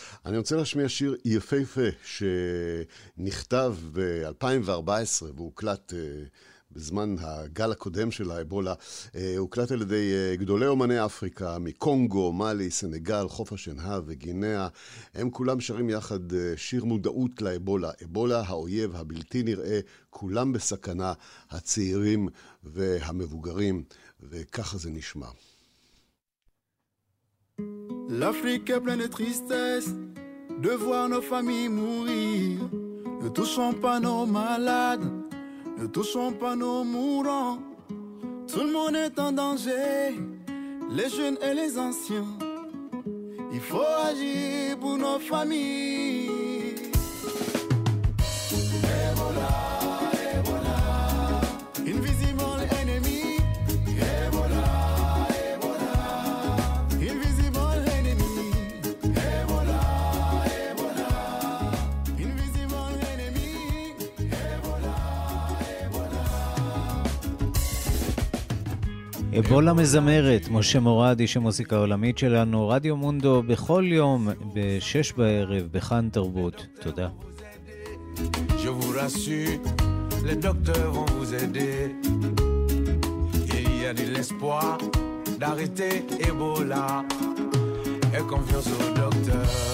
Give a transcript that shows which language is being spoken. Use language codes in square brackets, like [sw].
[he] אני רוצה להשמיע שיר יפהפה שנכתב ב-2014 והוקלט בזמן הגל הקודם של האבולה, הוקלט על ידי גדולי אומני אפריקה, מקונגו, מאלי, סנגל, חוף השנהב וגינאה. הם כולם שרים יחד שיר מודעות לאבולה. אבולה, האויב הבלתי נראה, כולם בסכנה, הצעירים והמבוגרים, וככה זה נשמע. [fr] L'Afrique est pleine de tristesse de voir nos familles mourir. Nous touchons pas nos malades. Ne touchons pas nos mourants, tout le monde est en danger, les jeunes et les anciens. Il faut agir pour nos familles. Ebola, Ebola, invisible ennemi. Ebola, Ebola, invisible ennemi. Ebola, Ebola, invisible ennemi. Ebola, Ebola. [he] אבולה מזמרת, משה מורד, איש המוסיקה העולמית שלנו, רדיו מונדו, בכל יום, בשש בערב, בחן תרבות. תודה. [fr] Je vous rassure, les docteurs vont vous aider. Il y a de l'espoir d'arrêter Ebola. Et confiance au docteur.